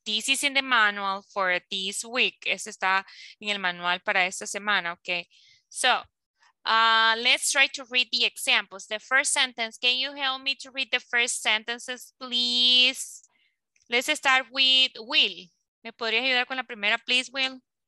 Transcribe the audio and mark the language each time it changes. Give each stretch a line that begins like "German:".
English: This is in the manual for this week.
Spanish: Este está en el manual para esta semana, okay.
English: So, let's try to read the examples. The first sentence, can you help me to read the first sentences, please? Let's start with Will.
Spanish: ¿Me podría ayudar con la primera, please, Will?